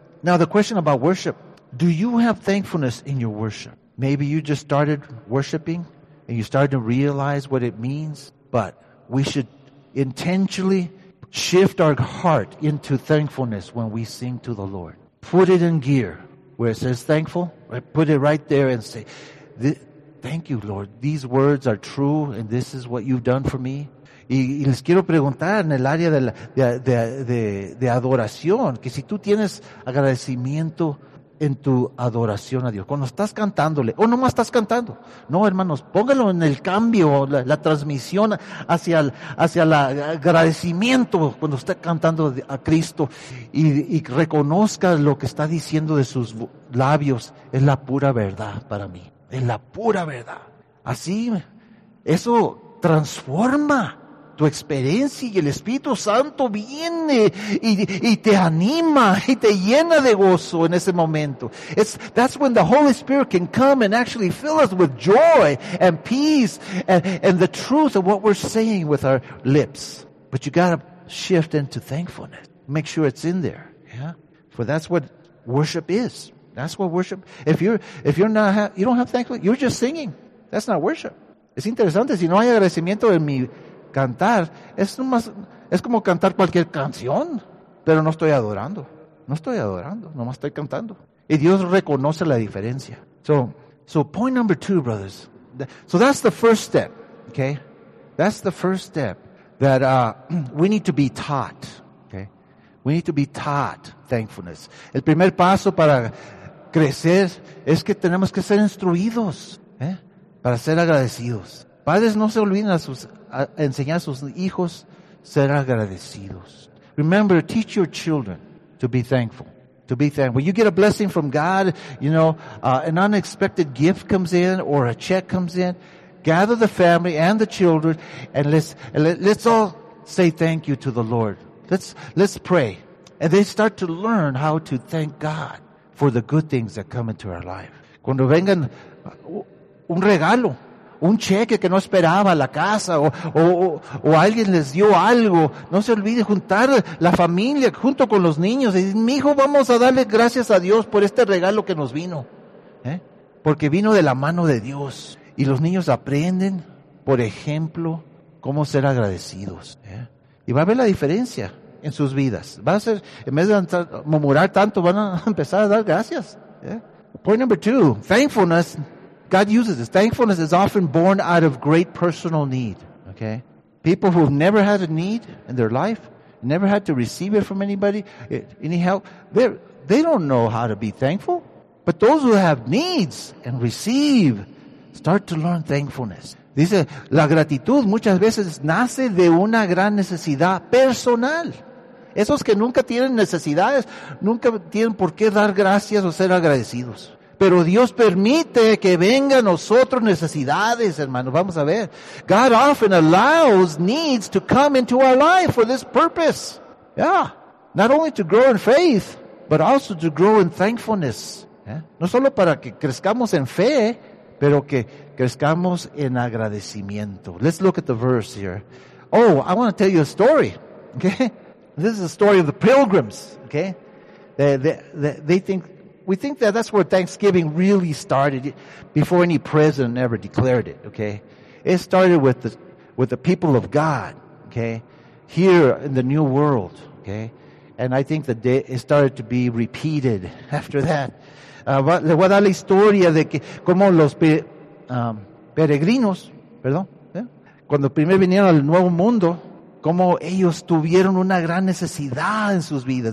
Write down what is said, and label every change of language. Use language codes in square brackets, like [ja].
[en] Now the question about worship. Do you have thankfulness in your worship? Maybe you just started worshiping and you started to realize what it means. But we should intentionally shift our heart into thankfulness when we sing to the Lord. Put it in gear where it says thankful. Put it right there and say, thank you, Lord. These words are true and this is what you've done for me. [es] Y les quiero preguntar en el área de adoración, que si tú tienes agradecimiento en tu adoración a Dios, cuando estás cantándole, o nomás estás cantando. No, hermanos, póngalo en el cambio, la transmisión hacia el agradecimiento cuando está cantando a Cristo y reconozca lo que está diciendo de sus labios. Es la pura verdad para mí. Es la pura verdad. Así, eso transforma tu experiencia y el Espíritu Santo viene y te anima y te llena de gozo en ese momento. [en] That's when the Holy Spirit can come and actually fill us with joy and peace and the truth of what we're saying with our lips. But you gotta shift into thankfulness. Make sure it's in there. Yeah? For that's what worship is. That's what worship. If you don't have thankfulness, you're just singing. That's not worship. [es] Es interesante, si no hay agradecimiento en mi cantar, es como cantar cualquier canción, pero no estoy adorando. No estoy adorando, nomás estoy cantando. Y Dios reconoce la diferencia. [en] So point number two, brothers. So that's the first step, okay? That's the first step that we need to be taught, okay? We need to be taught thankfulness. [es] El primer paso para crecer es que tenemos que ser instruidos, ¿eh? Para ser agradecidos. Padres, no se olviden enseñar a sus hijos ser agradecidos. [en] Remember, teach your children to be thankful. To be thankful. When you get a blessing from God, you know, an unexpected gift comes in or a check comes in, gather the family and the children and let's all say thank you to the Lord. Let's pray. And they start to learn how to thank God for the good things that come into our life. [es] Cuando vengan un regalo, un cheque que no esperaba, la casa, o alguien les dio algo. No se olvide juntar la familia junto con los niños. Y mi hijo, vamos a darle gracias a Dios por este regalo que nos vino. ¿Eh? Porque vino de la mano de Dios. Y los niños aprenden, por ejemplo, cómo ser agradecidos. ¿Eh? Y va a ver la diferencia en sus vidas. Va a ser, en vez de murmurar tanto, van a empezar a dar gracias. ¿Eh? [en] Point number two, thankfulness. God uses this. Thankfulness is often born out of great personal need. Okay? People who've never had a need in their life, never had to receive it from anybody, any help, they don't know how to be thankful. But those who have needs and receive, start to learn thankfulness. [es] Dice, la gratitud muchas veces nace de una gran necesidad personal. Esos que nunca tienen necesidades, nunca tienen por qué dar gracias o ser agradecidos. Pero Dios permite que venga a nosotros necesidades, hermanos. Vamos a ver. [en] God often allows needs to come into our life for this purpose. Yeah. Not only to grow in faith, but also to grow in thankfulness. [es] ¿Eh? No solo para que crezcamos en fe, pero que crezcamos en agradecimiento. [en] Let's look at the verse here. Oh, I want to tell you a story. Okay. This is a story of the pilgrims. Okay. We think that that's where Thanksgiving really started, before any president ever declared it, okay? It started with the people of God, okay? Here in the New World, okay? And I think it started to be repeated after that. [es] Le voy a dar la historia de que como los peregrinos, perdón, ¿eh? Cuando primero vinieron al Nuevo Mundo, como ellos tuvieron una gran necesidad en sus vidas.